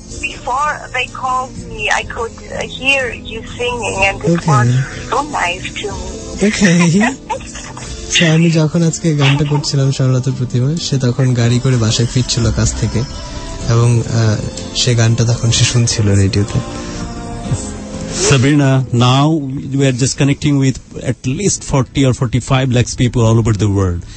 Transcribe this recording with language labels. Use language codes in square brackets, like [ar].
[en] Before they called me, I could hear you singing and it was so nice to me. Okay. [bn] আমি যখন আজকে গানটা করছিলাম সরলতার প্রতিমা, সে তখন গাড়ি করে বাসায় ফিরছিল কাজ থেকে, এবং সে গানটা তখন সে শুনছিল রেডিওতে। [en] Sabrina, now we are just connecting with at least 40 or 45 lakhs people all over the world.